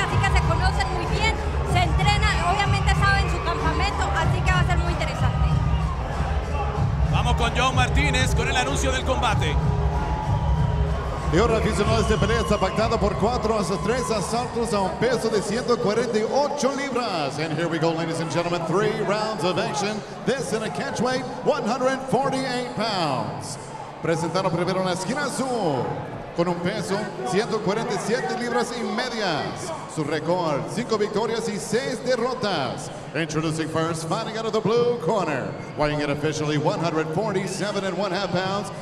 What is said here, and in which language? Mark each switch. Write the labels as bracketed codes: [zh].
[es] Así que se conocen muy bien. Se entrena, obviamente saben su campamento. Así que va a ser muy interesante. Vamos con John Martínez con el anuncio del combate. Y ahora, aficionados, esta pelea está pactada por 4-3 asaltos a un peso de 148 libras. [en] And here we go, ladies and gentlemen, 3 rounds of action. This in a catchweight, 148 pounds. [es] Presentado primero en la esquina azul, con un peso, 147 libras y medias. Su récord, 5 victorias y 6 derrotas. [en] Introducing first, fighting out of the blue corner, weighing in officially 147 and 1 half pounds.